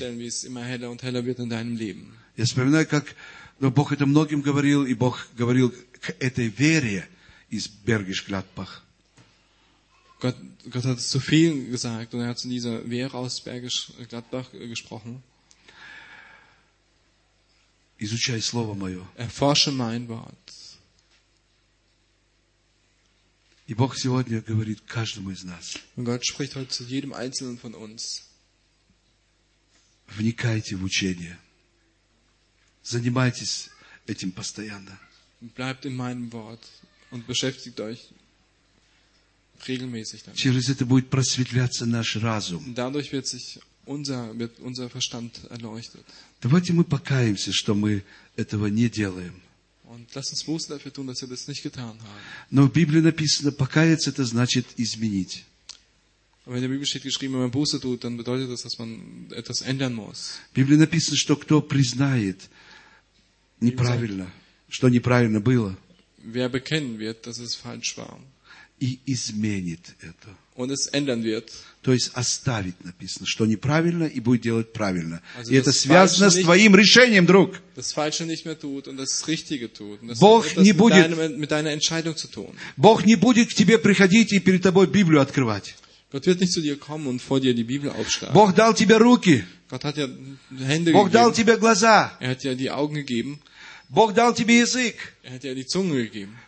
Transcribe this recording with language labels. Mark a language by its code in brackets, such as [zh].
[de] Du wirst feststellen, wie es immer heller und heller wird in deinem Leben. [ru] Я вспоминаю, как Бог это многим говорил, и Бог говорил к этой вере из Бергиш-Гладбах. [de] Gott hat es zu vielen gesagt, und er hat zu dieser Wehre aus Bergisch-Gladbach gesprochen. [ru] Изучай Слово Мое. [de] Erforsche mein Wort. [ru] И Бог сегодня говорит каждому из нас. [de] Und Gott spricht heute zu jedem Einzelnen von uns. [ru] Вникайте в учение. Занимайтесь этим постоянно. [de] Bleibt in meinem Wort und beschäftigt euch regelmäßig damit. [ru] Через это будет просветляться наш разум. [de] Dadurch wird unser Verstand erleuchtet. [ru] Давайте мы покаемся, что мы этого не делаем. [de] Und lass uns Buße dafür tun, dass wir das nicht getan haben. [ru] Но в Библии написано, покаяться, это значит изменить. [de] Aber in der Bibel steht geschrieben, wenn man Buße tut, dann bedeutet das, dass man etwas ändern muss. [ru] В Библии написано, что кто признает неправильно, что неправильно было. [de] Wer bekennen wird, dass es falsch war. [ru] И изменит это. [de] Und es ändern wird. [ru] То есть оставить написано, что неправильно и будет делать правильно. [de] Also, [ru] и это связано с твоим решением, друг. [de] Das Falsche nicht mehr tut und das Richtige tut. Und das [ru] Бог [de] hat, [ru] не будет. [de] Mit deiner Entscheidung zu tun. [ru] Бог не будет к тебе приходить и перед тобой Библию открывать. [de] Gott wird nicht zu dir kommen und vor dir die Bibel aufschlagen. [ru] Бог дал тебе руки. [de] Gott hat dir Hände [ru] Бог [de] gegeben. [ru] Дал тебе глаза. [de] Er hat dir die Augen gegeben. [ru] Бог дал тебе язык. [de] Er hat dir die Zunge gegeben.